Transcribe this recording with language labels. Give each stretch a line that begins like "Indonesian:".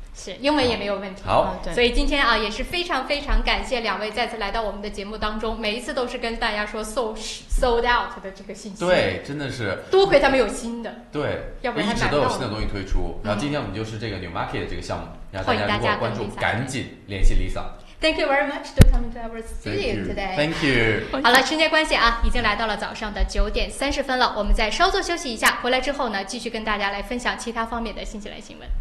Chinese: 是英文也没有问题。好，所以今天啊也是非常非常感谢两位再次来到我们的节目当中，每一次都是跟大家说 sold out 的这个信息。对，真的是多亏他们有新的，对，要不然一直都有新的东西推出。然后今天我们就是这个 new market 的这个项目，然后大如果关注，赶紧联系 Lisa。
English: Thank you very much to come to our studio today. Thank you.
Chinese: 好了，时间关系啊，已经来到了早上的9:30了。我们再稍作休息一下，回来之后呢，继续跟大家来分享其他方面的新西兰新闻。